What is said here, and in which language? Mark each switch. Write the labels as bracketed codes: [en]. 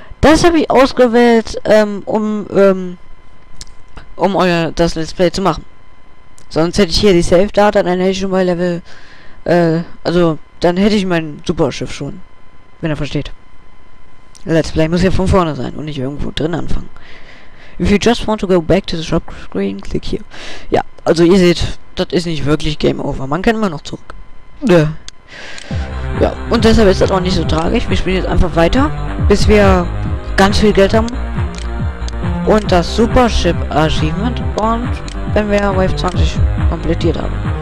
[de] Das habe ich ausgewählt, um euer das Let's Play zu machen. Sonst hätte ich hier die Safe Data, dann hätte ich schon bei Level, also dann hätte ich mein Superschiff schon, wenn er versteht. Let's Play muss ja von vorne sein und nicht irgendwo drin anfangen. [en] If you just want to go back to the shop screen, click here. [de] Ja, also ihr seht, das ist nicht wirklich Game Over. Man kann immer noch zurück. Ja. Ja, und deshalb ist das auch nicht so tragisch. Wir spielen jetzt einfach weiter, bis wir ganz viel Geld haben. Und das Supership Achievement. Und wenn wir Wave 20 komplettiert haben.